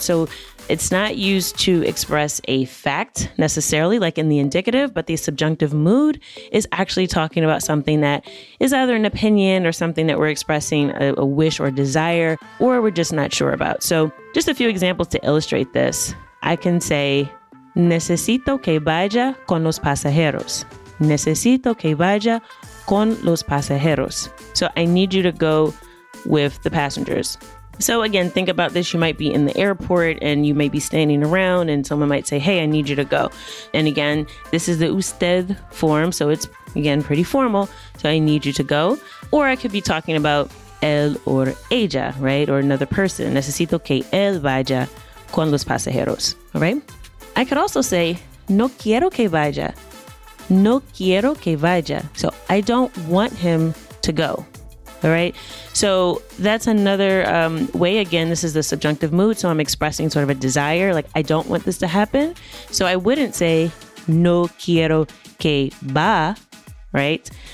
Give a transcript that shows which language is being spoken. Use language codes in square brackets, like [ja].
[en] So it's not used to express a fact necessarily, like in the indicative, but the subjunctive mood is actually talking about something that is either an opinion or something that we're expressing a wish or desire, or we're just not sure about. So just a few examples to illustrate this. I can say, [es] necesito que vaya con los pasajeros. Necesito que vaya con los pasajeros. [en] So I need you to go with the passengers. So again, think about this. You might be in the airport and you may be standing around and someone might say, hey, I need you to go. And again, this is the usted form. So it's, again, pretty formal. So I need you to go. Or I could be talking about él or ella, right? Or another person. [es] Necesito que él vaya con los pasajeros, [en] all right? I could also say, [es] no quiero que vaya. No quiero que vaya. [en] So I don't want him to go. All right. So that's another way. Again, this is the subjunctive mood. So I'm expressing sort of a desire, like I don't want this to happen. So I wouldn't say, [es] no quiero que va. [en] right?